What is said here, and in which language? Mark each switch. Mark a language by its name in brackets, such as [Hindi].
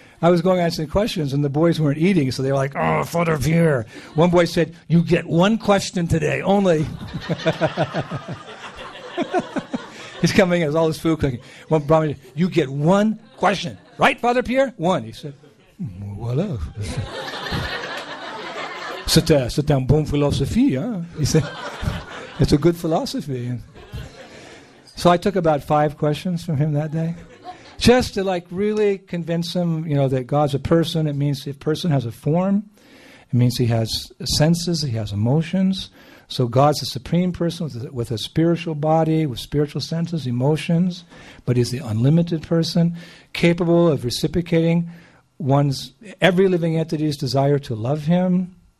[English] I was going asking questions, and the boys weren't eating, so they were like, "Oh, Father Pierre." One boy said, "You get one question today, only." He's coming in, all his food cooking. One brought me, "You get one question. Right, Father Pierre? One." He said, "Voilà." [French] C'est un bon philosophie, huh? [English] He said, "It's a good philosophy." So I took about 5 questions from him that day. Just to like really convince him, you know, that God's a person. It means if a person has a form, it means he has senses, he has emotions. So God's a supreme person with a spiritual body, with spiritual senses, emotions, but he's the unlimited person, capable of reciprocating one's every living entity's desire to love him.